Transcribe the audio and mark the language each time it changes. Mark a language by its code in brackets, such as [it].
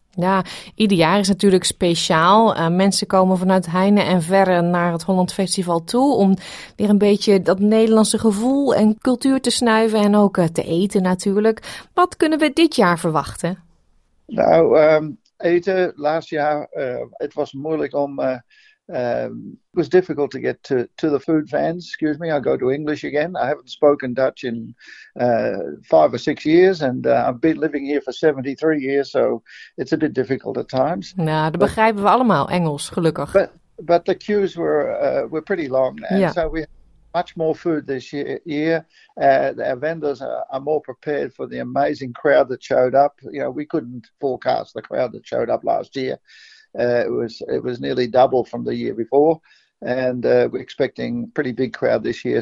[nl] Ja, ieder jaar is natuurlijk speciaal. Mensen komen vanuit heinde en verre naar het Holland Festival toe om weer een beetje dat Nederlandse gevoel en cultuur te snuiven en ook te eten natuurlijk. Wat kunnen we dit jaar verwachten? Nou, eten, laatst jaar, het was moeilijk om... [en] it was difficult to get to the food vans. Excuse me, I'll go to English again. I haven't spoken Dutch in 5 or 6 years. And I've been living here for 73 years. So it's a bit difficult at times. [nl] Nou, dat begrijpen we allemaal, Engels, gelukkig. [en] But the queues were pretty long. And yeah. So we have much more food this year. Our vendors are more prepared for the amazing crowd that showed up. You know, we couldn't forecast the crowd that showed up last year. It was nearly double from the year before, and we're expecting a pretty big crowd this year.